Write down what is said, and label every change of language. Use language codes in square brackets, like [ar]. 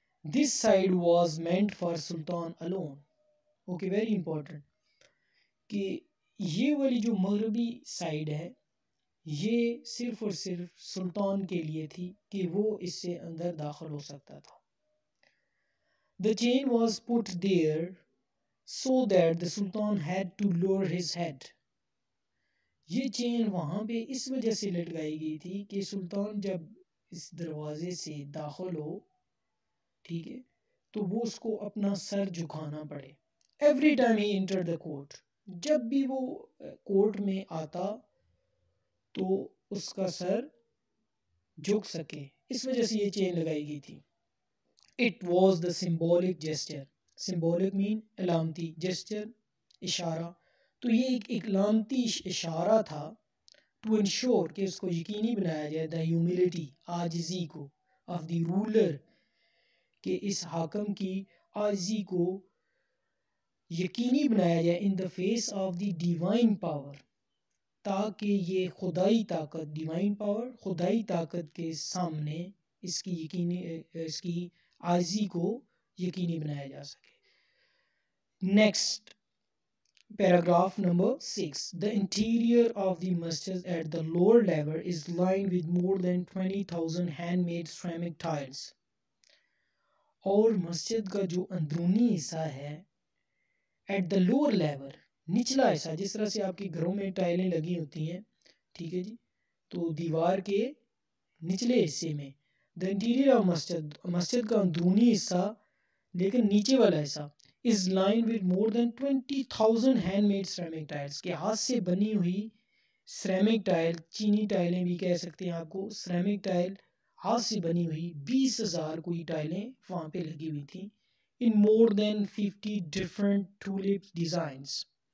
[en] This side was meant for Sultan alone. [ur] Okay, very important کہ یہ والی جو مغربی سائڈ ہے یہ صرف اور صرف سلطان کے لیے تھی کہ وہ اس سے اندر داخل ہو سکتا تھا. [en] The chain was put there so that the Sultan had to lower his head. [ur] یہ چین وہاں پہ اس وجہ سے لٹکائی گئی تھی کہ سلطان جب اس دروازے سے داخل ہو، ٹھیک ہے، تو وہ اس کو اپنا سر جھکانا پڑے. [en] Every time he entered the court. [ur] جب بھی وہ کورٹ میں آتا تو اس کا سر جھک سکے، اس وجہ سے یہ چین لگائی گئی تھی. [en] It was the symbolic gesture. Symbolic mean علامتی، gesture اشارہ. [ur] تو یہ ایک علامتی اشارہ تھا [en] to ensure [ur] کہ اس کو یقینی بنایا جائے [en] the humility، [ur] عاجزی کو، [en] of the ruler، [ur] کہ اس حاکم کی عاجزی کو یقینی بنایا جائے [en] in the face of the divine power، [ur] تاکہ یہ خدائی طاقت، divine power، خدائی طاقت کے سامنے اس کی یقینی، اس کی عاجزی کو یقینی بنایا جا سکے. Next paragraph number 6. [en] The interior of the masjid at the lower level is lined with more than 20,000 handmade ceramic tiles. [ur] اور مسجد کا جو اندرونی حصہ ہے [en] at the lower level, [ur] نچلا حصہ، جس طرح سے آپ کے گھروں میں ٹائلیں لگی ہوتی ہیں، ٹھیک ہے جی، تو دیوار کے نچلے حصے میں [en] the interior of masjid, [ur] مسجد کا اندرونی حصہ لیکن نیچے والا حصہ، [en] is lined with more than 20,000 handmade ceramic tiles, [ur] کے ہاتھ سے بنی ہوئی سرامک ٹائل، چینی ٹائلیں بھی کہہ سکتے ہیں آپ کو، سرامک ٹائل، ہاتھ سے بنی ہوئی 20,000 کوئی ٹائلیں وہاں پہ لگی ہوئی تھیں، [en] in more than 50 different tulip designs,